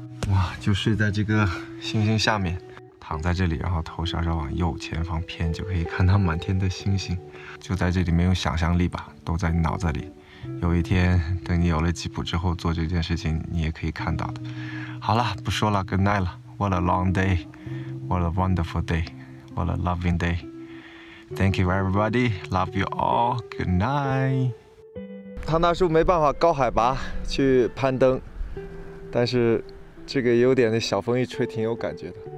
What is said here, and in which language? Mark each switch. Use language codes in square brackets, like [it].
[zh] 哇，就睡在这个星星下面，躺在这里，然后头稍稍往右前方偏，就可以看到满天的星星。就在这里，没有想象力吧，都在你脑子里。有一天，等你有了吉普之后做这件事情，你也可以看到的。好了，不说了 ， [en] Good night [zh] 了。 [en] What a long day, what a wonderful day, what a loving day. Thank you, everybody. Love you all. Good night. [zh] 唐大叔没办法高海拔去攀登，但是。这个有点那小风一吹挺有感觉的。